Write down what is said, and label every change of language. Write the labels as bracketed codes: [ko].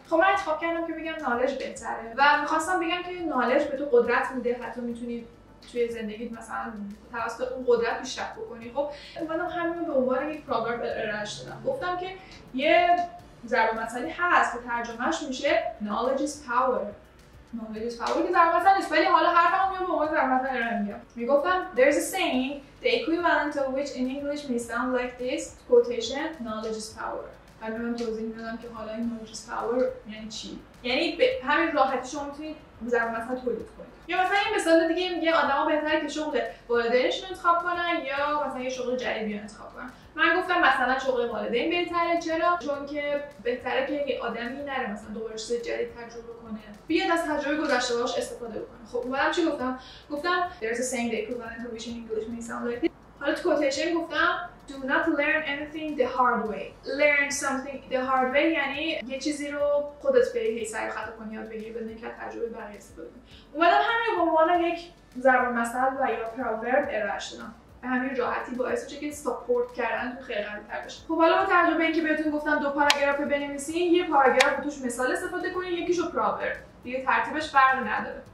[fa] خب من انتخاب کردم که بگم نالج بهتره و میخواستم بگم که نالج به تو قدرت میده، حتی میتونی توی زندگیت مثلا توسط اون قدرت پیشرفت بکنی. خب منم همین به عنوان یک پروگرام ارائه دادم، گفتم که یه ضرب المثلی هست که ترجمهش میشه [en] knowledge is power. knowledge is power [fa] که ضرب المثل نیست، ولی حالا هر کدوم میام به عنوان ضرب المثل ارائه میگم. میگفتم [en] there is a saying the equivalent of which in English may sound like this quotation knowledge is power. [fa] بعد من توضیح میدادم که حالا این [en] knowledge is power [fa] یعنی چی، یعنی همین راحتی شما میتونید ضرب المثل تولید کنید. یا مثلا این مثال دیگه میگه آدما بهتره که شغل والدینشون انتخاب کنن یا مثلا یه شغل جدیدی انتخاب کنن. من گفتم مثلا شغل والدین بهتره. چرا؟ چون که بهتره که یه آدمی نره مثلا دوباره چیز جدید تجربه کنه، بیاد از تجربه گذشته باش استفاده بکنه. خب اومدم چی گفتم؟ گفتم [en] there is a saying that equivalent of which in English may sound like this. [fa] حالا تو کوتیشن گفتم [en] do not learn anything the hard way. learn something the hard way [fa] یعنی یه چیزی رو خودت بری هی سر خطا کنی یاد بگیری بدون اینکه تجربه بقیه استفاده کنی. اومدم همین به عنوان یک ضرب المثل و یا پراورب ارائه دادم، به همین راحتی باعث میشه که ساپورت کردن تو خیلی قوی تر بشه. خب حالا با تجربه اینکه بهتون گفتم دو پاراگراف بنویسین، یه پاراگراف توش مثال استفاده کنین، یکیشو پراورب، دیگه ترتیبش فرق نداره.